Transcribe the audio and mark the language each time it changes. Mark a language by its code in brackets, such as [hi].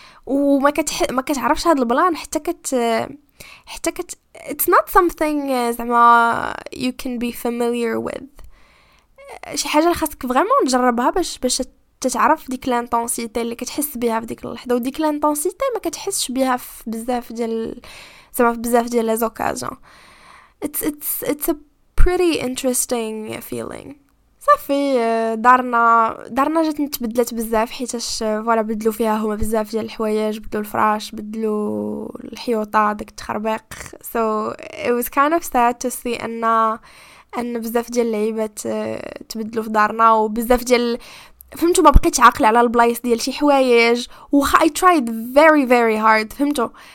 [ar] وما كتعرفش هاد البلان حتى كت [en] it's not something [ar] زعما [en] you can be familiar with، [ar] شي حاجه اللي خاصك فريمون تجربها باش تتعرف ديك لانتونسيتي اللي كتحس بها في ديك اللحظه، وديك لانتونسيتي ما كتحسش بها في بزاف ديال لي زوكازيون. [en] it's a pretty interesting feeling. [ar] صافي دارنا جات تبدلت بزاف، حيتاش فوالا بدلو فيها هما بزاف ديال الحوايج، بدلو الفراش، بدلو الحيوطه داك التخربيق. سو [en] it was kind of sad to see [ar] ان بزاف ديال اللعيبات تبدلو في دارنا، وبزاف ديال فهمتو ما بقيتش عاقله على البلايص ديال شي حوايج. و [en] I tried very very hard، [ar] فهمتو